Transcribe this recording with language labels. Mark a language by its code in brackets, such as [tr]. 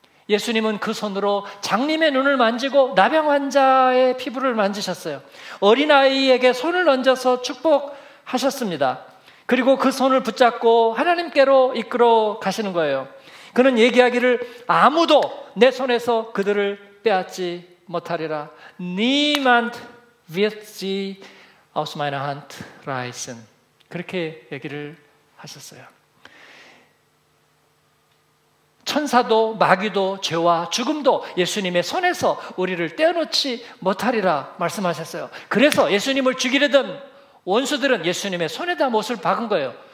[ko] 예수님은 그 손으로 장님의 눈을 만지고 나병 환자의 피부를 만지셨어요. 어린아이에게 손을 얹어서 축복하셨습니다. 그리고 그 손을 붙잡고 하나님께로 이끌어 가시는 거예요. 그는 얘기하기를 아무도 내 손에서 그들을 빼앗지 못하리라. [de] Niemand wird sie aus meiner Hand reißen. [ko] 그렇게 얘기를 하셨어요. 천사도 마귀도 죄와 죽음도 예수님의 손에서 우리를 떼어놓지 못하리라 말씀하셨어요. 그래서 예수님을 죽이려던 원수들은 예수님의 손에다 못을 박은 거예요.